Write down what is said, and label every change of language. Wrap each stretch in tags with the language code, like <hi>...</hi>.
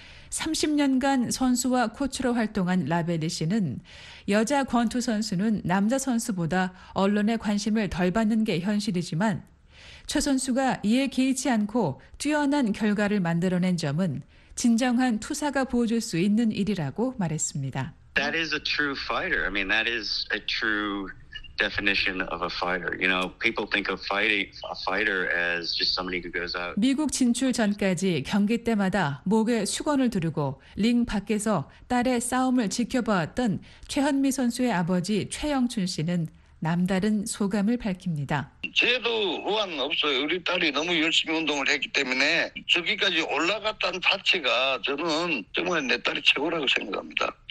<ko>30년간 선수와 코치로 활동한 라벨리 씨는 여자 권투 선수는 남자 선수보다 언론의 관심을 덜 받는 게 현실이지만 최 선수가 이에 개의치 않고 뛰어난 결과를 만들어낸 점은 진정한 투사가 보여줄 수 있는 일이라고 말했습니다.</ko> <en>That is a true fighter. I mean, that is a true definition of a fighter. You know, people think of fighting a fighter as just somebody who goes out.</en> <ko>미국 진출 전까지 경기 때마다 목에 수건을 두르고 링 밖에서 딸의 싸움을 지켜보았던 최현미 선수의 아버지 최영춘 씨는 남다른 소감을 밝힙니다. 저도 후한 없어요. 우리 딸이 너무 열심히 운동을 했기 때문에 저기까지 올라갔다는 자체가 저는 정말 내 딸이 최고라고 생각합니다.</ko>